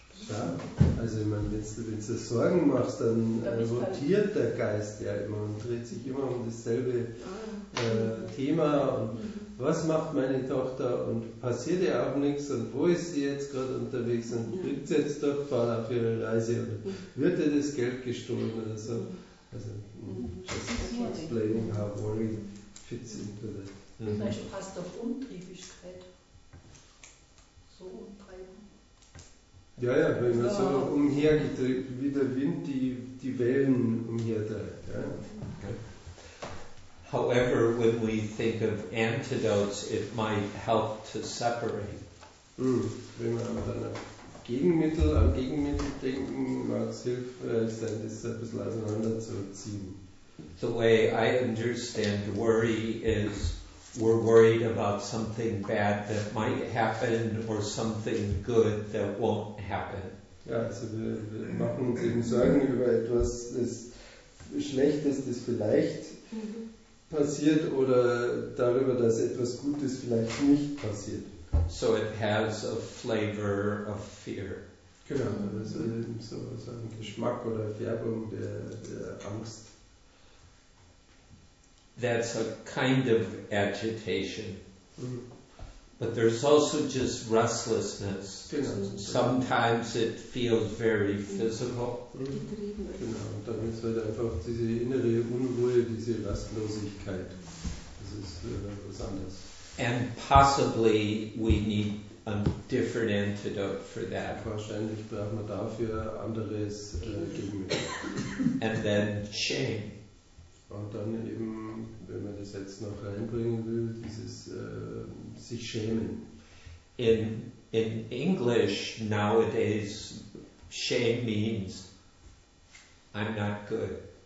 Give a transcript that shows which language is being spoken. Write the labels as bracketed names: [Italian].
[German] Ja, also ich meine, wenn du Sorgen machst, dann rotiert der Geist ja immer und dreht sich immer um dasselbe Thema. Und was macht meine Tochter und passiert ihr auch nichts und wo ist sie jetzt gerade unterwegs und kriegt sie jetzt doch Fall auf ihre Reise oder wird ihr das Geld gestohlen oder so. [English] Also, just explaining how worry fits into that. [German] Vielleicht passt auf Umtriebigkeit. So umtreiben. Ja, wenn man so umhergetrieben, wie der Wind die Wellen umhertreibt. Ja. Okay. [English] However, when we think of antidotes, it might help to separate. [German] Wenn man aber dann an Gegenmittel denken, mag es helfen, das ein bisschen auseinanderzuziehen. [English] The way I understand worry is we're worried about something bad that might happen or something good that won't happen. [German] Ja, also wir machen uns eben Sorgen über etwas, das Schlechtes, das vielleicht passiert oder darüber, dass etwas Gutes vielleicht nicht passiert. [English] So it has a flavor of fear. [German] Genau, also so ein Geschmack oder Färbung der Angst. [English] That's a kind of agitation. Mm. But there's also just restlessness. [German] Genau. [English] Sometimes it feels very physical. Mm. [German] Genau, und dann ist halt einfach diese innere Unruhe, diese Rastlosigkeit. Das ist was anderes. [English] And possibly we need a different antidote for that. [German] Wahrscheinlich brauchen wir dafür anderes Gegenmittel. [English] And then shame. [German] Und dann eben, wenn man das jetzt noch reinbringen will, dieses sich schämen. [English] In English nowadays, shame means I'm not good.